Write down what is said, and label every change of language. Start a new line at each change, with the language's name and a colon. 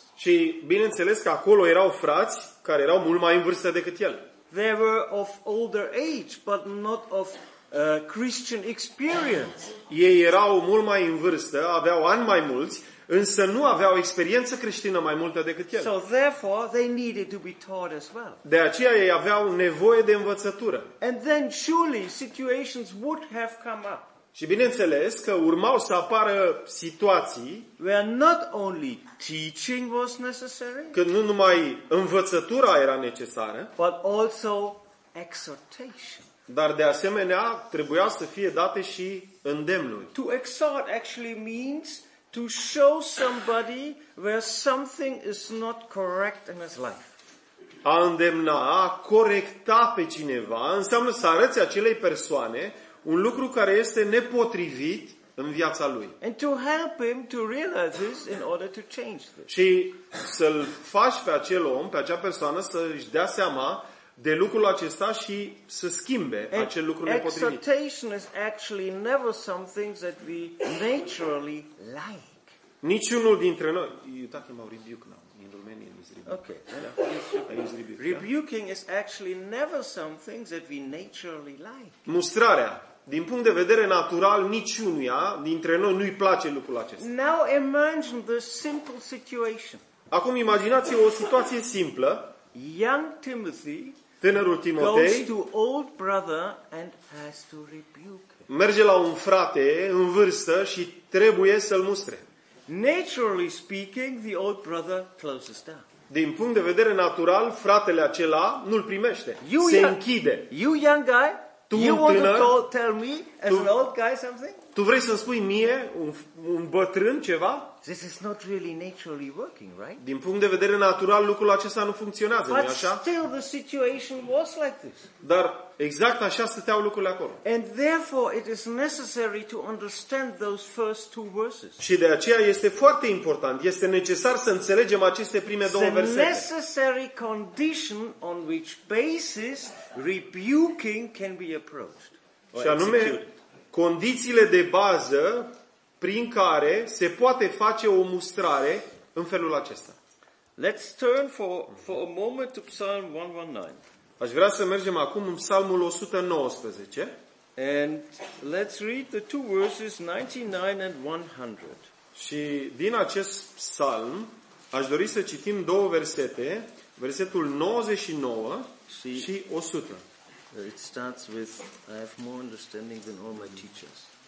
Romanian: Și bineînțeles că acolo erau frați care erau mult mai în vârstă decât el.
English: They were of older age, but not of Christian experience.
Romanian: Ei erau mult mai în vârstă, aveau ani mai mulți, însă nu aveau experiență creștină mai multă decât el.
English: So therefore, they needed to be taught as well.
Romanian: De aceea ei aveau nevoie de învățătură.
English: And then surely situations would have come up.
Romanian: Și bineînțeles că urmau să apară situații
English: where not only teaching was necessary,
Romanian: când nu numai învățătura era necesară,
English: but also exhortation.
Romanian: Dar de asemenea trebuia să fie date și îndemnuri.
English: To exhort actually means to show somebody where something is not correct in his life.
Romanian: A îndemna, a corecta pe cineva, înseamnă să arăți acelei persoane un lucru care este nepotrivit în viața lui.
English: And to help him to realize this in order to change this.
Romanian: Și să-l faci pe acel om, pe acea persoană să își dea seama de lucrul acesta și să schimbe
English: and
Romanian: acel lucru nepotrivit.
English: Exhortation is actually never something that we naturally like.
Romanian: Niciunul dintre noi,
English: you talk about rebuke now. In Romanian is rebuke. Okay. Rebuking is actually never something that we naturally like.
Romanian: Mustrarea, din punct de vedere natural, niciunuia dintre noi nu-i place lucrul acesta.
English: Now imagine the simple situation.
Romanian: Acum imaginați-vă o situație simplă.
English: Young Timothy,
Romanian: tânărul Timotei,
English: goes to old brother and has to rebuke.
Romanian: Merge la un frate în vârstă și trebuie să-l mustre.
English: Naturally speaking, the old brother closes down.
Romanian: Din punct de vedere natural, fratele acela nu-l primește.
English: You
Romanian: se închide.
English: You young guy,
Romanian: tu
English: you
Romanian: tânăr,
English: want to call, tell me as tu, an old guy something?
Romanian: Tu vrei să-mi spui mie, un bătrân, ceva?
English: This is not really naturally working, right?
Romanian: Din punct de vedere natural, lucrul acesta nu funcționează,
English: but
Romanian: nu-i așa?
English: Still the situation was like this.
Romanian: Dar exact așa stăteau lucrurile acolo.
English: And therefore it is necessary to understand those first two verses.
Romanian: Și de aceea este foarte important, este necesar să înțelegem aceste prime două versete.
English: The necessary condition on which basis rebuking can be approached.
Romanian: Și anume condițiile de bază prin care se poate face o mustrare în felul acesta.
English: Let's turn for a moment to Psalm 119.
Romanian: Aș vrea să mergem acum în Psalmul 119.
English: And let's read the two verses 99 and 100.
Romanian: Și din acest psalm aș dori să citim două versete, versetul 99 și 100.
English: It starts with I have more understanding than all my teachers.